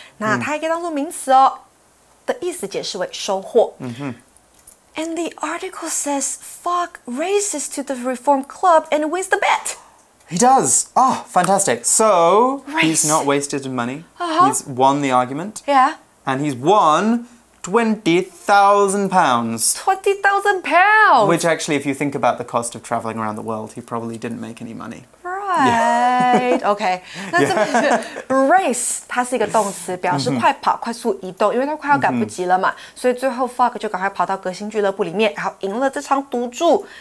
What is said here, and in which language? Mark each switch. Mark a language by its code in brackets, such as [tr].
[zh] 那它也可以当作名词哦，的意思解释为收获。嗯哼。 [en] And the article says Fogg races to the Reform Club and wins the bet. He does. Oh, fantastic. So, he's not wasted money. Uh-huh. He's won the argument. Yeah. And he's won £20,000. £20,000! Which actually, if you think about the cost of traveling around the world, he probably didn't make any money. Right. Yeah. Okay. [zh] Race, 它是一个动词，表示快跑、快速移动，因为它快要赶不及了嘛。所以最后 Fogg 就赶快跑到革新俱乐部里面，然后赢了这场赌注。